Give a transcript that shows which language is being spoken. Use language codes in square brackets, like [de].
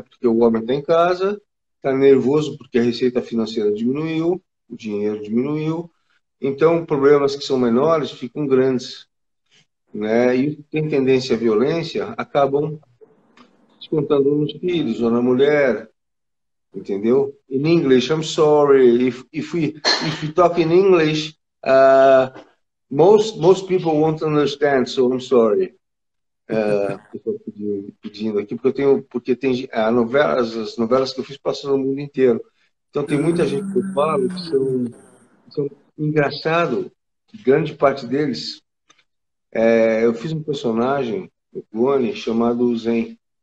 [pt] Porque o homem está em casa, está nervoso porque a receita financeira diminuiu, o dinheiro diminuiu. Então, problemas que são menores ficam grandes, né? E tem tendência à violência, acabam descontando nos filhos ou na mulher, entendeu? [en] In English, I'm sorry. If we talk in English, most people won't understand, so I'm sorry. [pt] Estou pedindo aqui, porque tem as novelas que eu fiz passam no mundo inteiro. Então, tem muita gente que eu falo que são engraçado, grande parte deles. Eu fiz um personagem, o clone, chamado Zen.